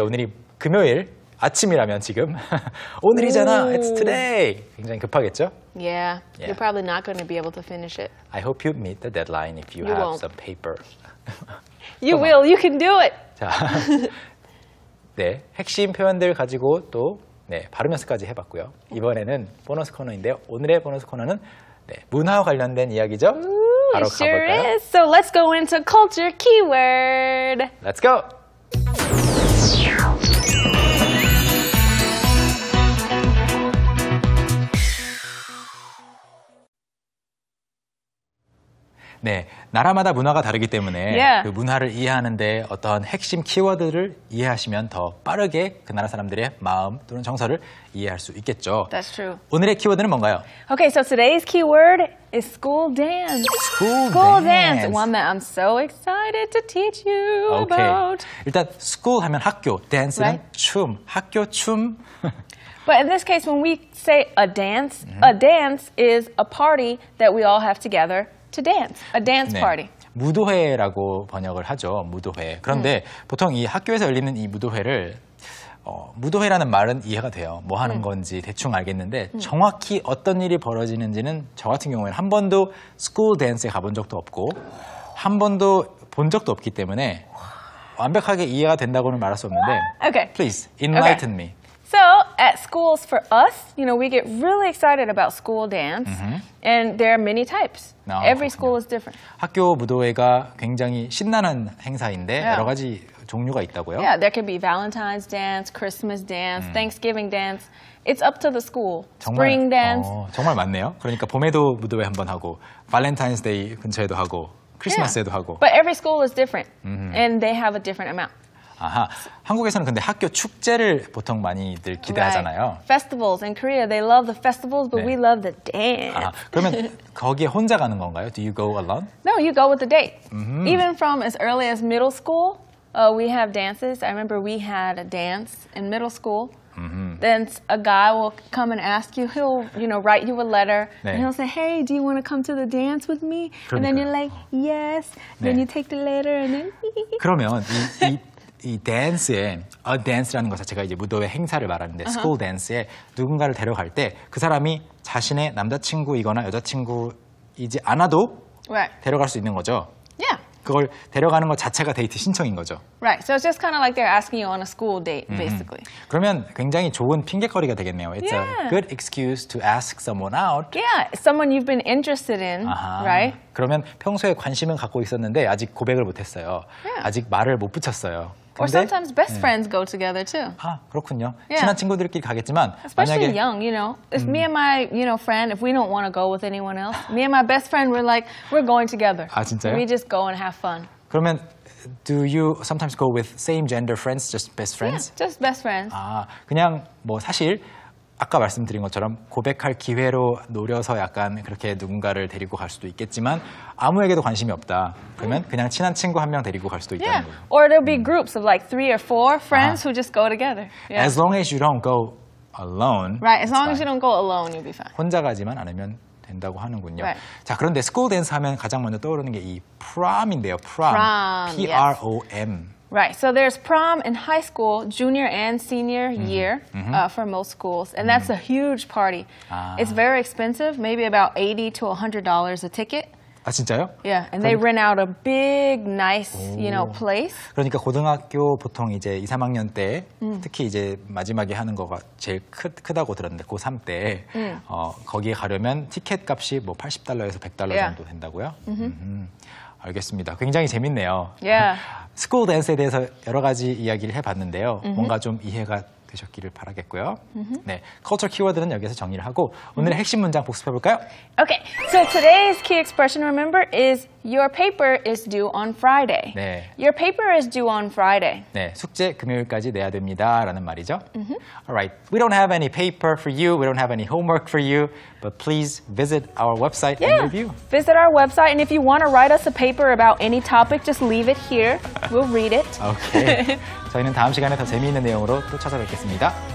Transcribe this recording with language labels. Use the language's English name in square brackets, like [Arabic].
[Korean] 오늘이 금요일, 아침이라면 지금 오늘이잖아. [English] Ooh. It's today. [Korean] 굉장히 급하겠죠? [English] Yeah. yeah. You're probably not going to be able to finish it. I hope you meet the deadline if you, you have won't. some paper. you will. On. You can do it. [Korean] 자, 네, 핵심 표현들 가지고 또 네, 발음 연습까지 해봤고요. 이번에는 보너스 코너인데요. 오늘의 보너스 코너는 네, 문화와 관련된 이야기죠. [English] Ooh, [Korean] 바로 [English] it [Korean] 가볼까요? [English] Sure is. So let's go into culture keyword. Let's go. Yeah. [Korean] 그 문화를 이해하는데 어떤 핵심 키워드를 이해하시면 더 빠르게 그 나라 사람들의 마음 또는 정서를 이해할 수 있겠죠. [English] That's true. [Korean] 오늘의 키워드는 뭔가요? [English] Okay, so today's keyword is school dance. School dance. One that I'm so excited to teach you about. [Korean] Okay. 일단 school 하면 학교, dance는 right? 춤, 학교 춤. [English] But in this case, when we say a dance, mm-hmm. a dance is a party that we all have together. To dance, a dance party. 네, [Korean] 무도회라고 번역을 하죠, 무도회. 그런데 보통 이 학교에서 열리는 이 무도회를 무도회라는 말은 이해가 돼요. 뭐 하는 건지 대충 알겠는데 정확히 어떤 일이 벌어지는지는 저 같은 경우에는 한 번도 스쿨 댄스에 가본 적도 없고 한 번도 본 적도 없기 때문에 완벽하게 이해가 된다고는 말할 수 없는데 [English] okay. Please, enlighten okay. me. So, at schools for us, you know, we get really excited about school dance, mm-hmm. and there are many types. No, Every school no. is different. [Korean] 학교 무도회가 굉장히 신나는 행사인데 yeah. 여러 가지 종류가 있다고요? [English] Yeah, there can be Valentine's dance, Christmas dance, Thanksgiving dance. It's up to the school. [Korean] 정말, [English] Spring dance. [Korean] 정말 많네요. 그러니까 봄에도 무도회 한번 하고, Valentine's Day 근처에도 하고, 크리스마스에도 [English] yeah. [Korean] 하고. [English] But every school is different, mm-hmm. and they have a different amount. [Korean] 아하, 한국에서는 근데 학교 축제를 보통 많이들 기대하잖아요. [English] Right. Festivals in Korea, they love the festivals, but 네. we love the dance. [Korean] 아하, 그러면 거기에 혼자 가는 건가요? [English] Do you go alone? No, you go with a date. Mm-hmm. Even from as early as middle school, we have dances. I remember we had a dance in middle school. Then a guy will come and ask you, he'll, you know, write you a letter, 네. and he'll say, hey, do you want to come to the dance with me? [Korean] 그러니까요. [English] And then you're like, yes. 네. Then you take the letter and then... [Korean] 그러면 이 dance에, a dance라는 것 자체가 이제 무도회 행사를 말하는데, uh-huh. school dance에 누군가를 데려갈 때 그 사람이 자신의 남자친구이거나 여자친구이지 않아도 [English] right. [Korean] 데려갈 수 있는 거죠. 그걸 데려가는 것 자체가 데이트 신청인 거죠. [English] Right. So it's just kind of like they're asking you on a school date, basically. [Korean] 그러면 굉장히 좋은 핑계거리가 되겠네요. [English] It's yeah. a good excuse to ask someone out. Yeah, someone you've been interested in, 아하. right? [Korean] 그러면 평소에 관심은 갖고 있었는데 아직 고백을 못했어요. [English] Yeah. [Korean] 아직 말을 못 붙였어요. [English] 근데, or sometimes best friends go together too. [Korean] 아, 그렇군요. Yeah. 친한 친구들끼리 가겠지만 [English] Especially young, you know. If me and my, you know, friend, if we don't want to go with anyone else, me and my best friend we're like we're going together. [Korean] 아, 진짜요? [English] We just go and have fun. 그러면 do you sometimes go with same gender friends just best friends? Yeah, just best friends. [Korean] 아, 그냥 뭐 사실 아까 말씀드린 것처럼 고백할 기회로 노려서 약간 그렇게 누군가를 데리고 갈 수도 있겠지만 아무에게도 관심이 없다. 그러면 그냥 친한 친구 한 명 데리고 갈 수도 있다는 [English] yeah. [Korean] 거예요. [English] Or there'll be groups of like three or four friends 아. who just go together. Yeah. As long as you don't go alone. Right, as long as you don't go alone, you'll be fine. [Korean] 혼자 가지만 않으면 된다고 하는군요. [English] Right. [Korean] 자, 그런데 스쿨 댄스 하면 가장 먼저 떠오르는 게 이 prom인데요. [English] Prom. P-R-O-M. Yes. Right, so there's prom in high school, junior and senior year for most schools, and that's a huge party. [Korean] 아. [English] It's very expensive, maybe about $80 to $100 a ticket. [Korean] 아, 진짜요? [English] Yeah, and 그럼, they rent out a big, nice, 오. you know, place. [Korean] 그러니까 고등학교 보통 이제 2, 3학년 때, 특히 이제 마지막에 하는 거가 제일 크다고 들었는데, 고3 때, 거기에 가려면 티켓 값이 뭐 $80에서 $100 정도 된다고요? [English] Mm-hmm. [Korean] 알겠습니다. 굉장히 재밌네요. [English] Yeah. [Korean] 스쿨 댄스에 대해서 여러 가지 이야기를 해봤는데요. [English] Mm-hmm. [Korean] 뭔가 좀 이해가 되셨기를 바라겠고요. [English] Mm-hmm. [Korean] 네, 컬처 키워드는 여기서 정리를 하고 오늘의 핵심 문장 복습해볼까요? [English] Okay, so today's key expression, remember, is your paper is due on Friday. [Korean] 네. [English] Your paper is due on Friday. [Korean] 네, 숙제 금요일까지 내야 됩니다. 라는 말이죠. [English] Mm-hmm. All right, we don't have any paper for you. We don't have any homework for you. But please visit our website yeah. and review. Visit our website. And if you want to write us a paper about any topic, just leave it here. We'll read it. [Korean] Okay. 저희는 다음 시간에 더 재미있는 내용으로 또 찾아뵙겠습니다.